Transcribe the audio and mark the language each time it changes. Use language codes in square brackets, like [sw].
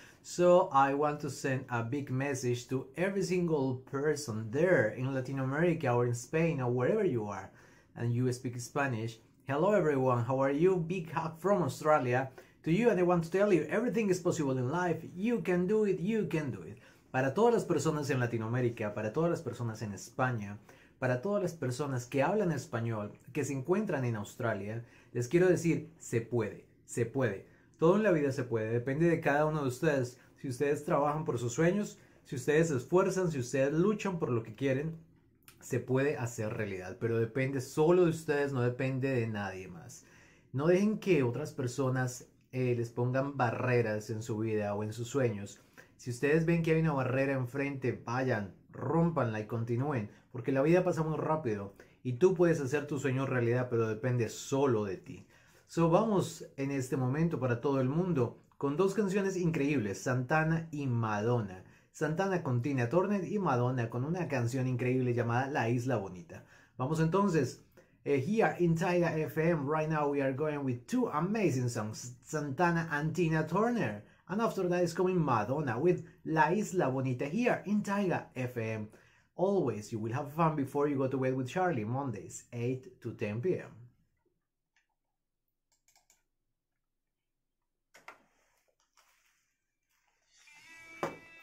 [en] So I want to send a big message to every single person there in Latin America or in Spain or wherever you are and you speak Spanish. Hello everyone, how are you? Big hug from Australia to you, and I want to tell you everything is possible in life. You can do it, you can do it. [es] Para todas las personas en Latinoamérica, para todas las personas en España, para todas las personas que hablan español, que se encuentran en Australia, les quiero decir, se puede, se puede. Todo en la vida se puede, depende de cada uno de ustedes. Si ustedes trabajan por sus sueños, si ustedes se esfuerzan, si ustedes luchan por lo que quieren, se puede hacer realidad. Pero depende solo de ustedes, no depende de nadie más. No dejen que otras personas les pongan barreras en su vida o en sus sueños. Si ustedes ven que hay una barrera enfrente, vayan, rómpanla y continúen, porque la vida pasa muy rápido y tú puedes hacer tu sueño realidad, pero depende solo de ti. So, vamos en este momento para todo el mundo con dos canciones increíbles, Santana y Madonna. Santana con Tina Turner y Madonna con una canción increíble llamada La Isla Bonita. Vamos entonces, [en] here in Tidal FM, right now we are going with two amazing songs, Santana and Tina Turner. And after that is coming Madonna with La Isla Bonita here in Taiga FM. Always, you will have fun before you go to bed with Charlie, Mondays, 8 to 10 p.m.